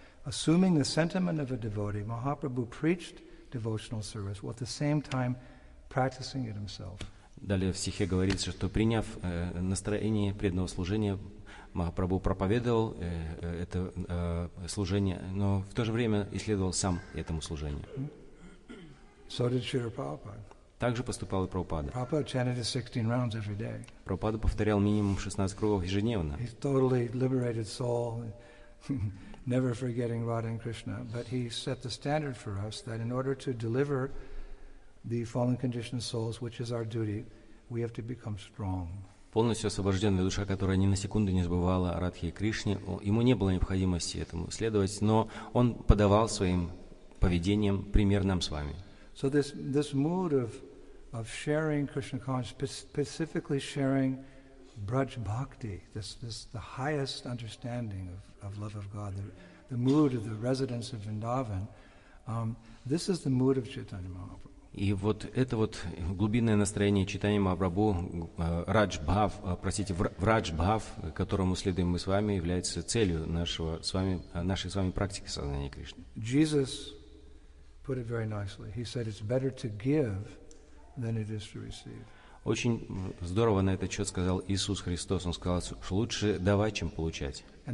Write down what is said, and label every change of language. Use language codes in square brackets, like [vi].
[en] Assuming the sentiment of a devotee, Mahaprabhu preached devotional service while at the same time practicing it himself. [ru] Далее в стихе говорится, что приняв настроение преданного служения, Махапрабху проповедовал это служение, но в то же время исследовал сам этому служению. [en] So did Srila Prabhupada. [ru] Также поступал и Прабхупада. [en] Prabhupada chanted 16 rounds every day. [ru] Прабхупада повторял минимум 16 кругов ежедневно. [en] He's totally liberated soul. Never forgetting Radha and Krishna, but he set the standard for us that in order to deliver the fallen conditioned souls, which is our duty, we have to become strong. [ru] Полностью освобожденная душа, которая ни на секунду не забывала о Радхе и Кришне, ему не было необходимости этому следовать, но он подавал своим поведением пример нам с вами. [en] So this mood of sharing Krishna consciousness, specifically sharing Braj Bhakti, this the highest understanding of love of God, the mood of the residents of Vrindavan, this is the mood of Chaitanya Mahaprabhu. [ru] И вот это вот глубинное настроение Чайтанья Махапрабху, врадж бхав, которому следуем мы с вами, является целью нашей с вами практики сознания Кришны. [en] Jesus put it very nicely. He said, "It's better to give than it is to receive." [ru] Очень здорово на этот счет сказал Иисус Христос. Он сказал, что лучше давать, чем получать.